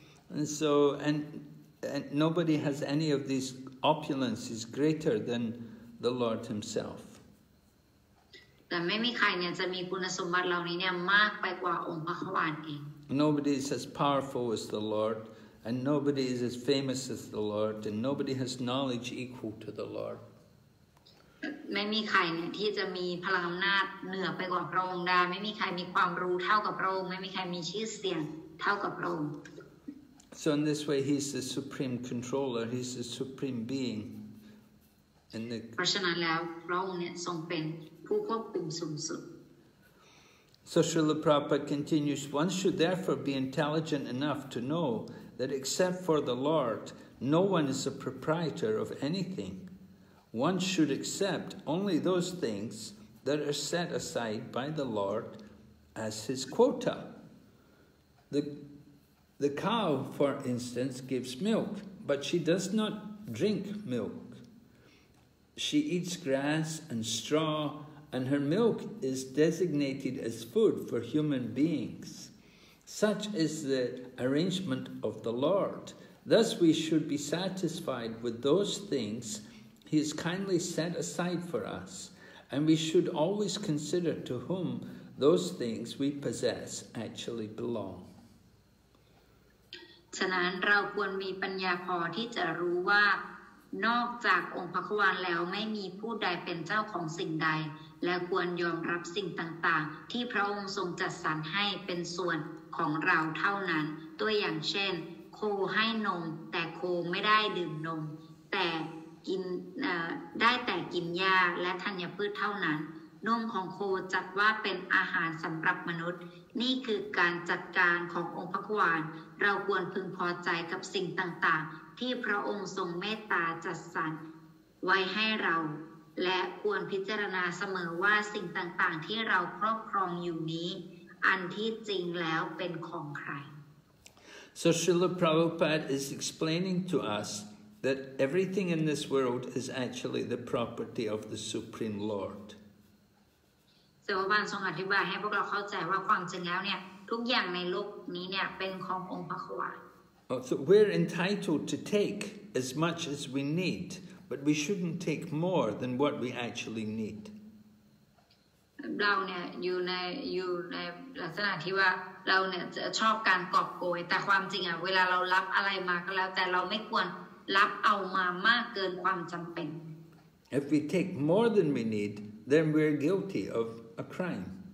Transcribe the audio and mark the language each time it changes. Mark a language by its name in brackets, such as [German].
[English] And so and nobody has any of these opulences greater than the Lord himself [Thai] แต่ไม่มีใครเนี่ยจะมีคุณสมบัติเหล่านี้เนี่ยมากไปกว่าองค์พระควานเอง [English] Nobody is as powerful as the Lord, and nobody is as famous as the Lord, and nobody has knowledge equal to the Lord. [Thai] ไม่มีใครเนี่ยที่จะมีพลังอำนาจเหนือไปกว่าพระองค์ได้ไม่มีใครมีความรู้เท่ากับพระองค์ไม่มีใครมีชื่อเสียงเท่ากับพระองค์ [English] So in this way, he's the supreme controller. He's the supreme being. In the [Thai] เพราะฉะนั้นแล้วพระองค์เนี่ยทรงเป็นผู้ควบคุมสูงสุด [English] So Srila Prabhupada continues, one should therefore be intelligent enough to know that except for the Lord, no one is a proprietor of anything. One should accept only those things that are set aside by the Lord as his quota. The cow, for instance, gives milk, but she does not drink milk. She eats grass and straw, and her milk is designated as food for human beings. Such is the arrangement of the Lord. Thus we should be satisfied with those things he has kindly set aside for us, and we should always consider to whom those things we possess actually belong. [Thai] ฉะนั้นเราควรมีปัญญาพอที่จะรู้ว่านอกจากองค์พระควานแล้วไม่มีผู้ใดเป็นเจ้าของสิ่งใดและควรยอมรับสิ่งต่างๆที่พระองค์ทรงจัดสรรให้เป็นส่วนของเราเท่านั้นตัวอย่างเช่นโคให้นมแต่โคไม่ได้ดื่มนมแต่กิน ได้แต่กินหญ้าและธัญพืชเท่านั้นนมของโคจัดว่าเป็นอาหารสำหรับมนุษย์นี่คือการจัดการขององค์พระควานเราควรพึงพอใจกับสิ่งต่างๆที่พระองค์ทรงเมตตาจัดสรรไว้ให้เราและควรพิจารณาเสมอว่าสิ่งต่างๆที่เราครอบครองอยู่นี้อันที่จริงแล้วเป็นของใคร [English] So Srila Prabhupada is explaining to us that everything in this world is actually the property of the Supreme Lord [Thai] สวัสดิ์บ้านทรงอธิบายให้พวกเราเข้าใจว่าความจริงแล้วเนี่ยทุกอย่างในโลกนี้เนี่ยเป็นขององค์พระควาน [English] So we're entitled to take as much as we need, but we shouldn't take more than what we actually need. [Thai] เราเนี่ยอยู่ในลักษณะที่ว่าเราเนี่ยจะชอบการกอบโกยแต่ความจริงอ่ะเวลาเรารับอะไรมาก็แล้วแต่เราไม่ควรรับเอามามากเกินความจำเป็น [English] If we take more than we need, then we're guilty of a crime.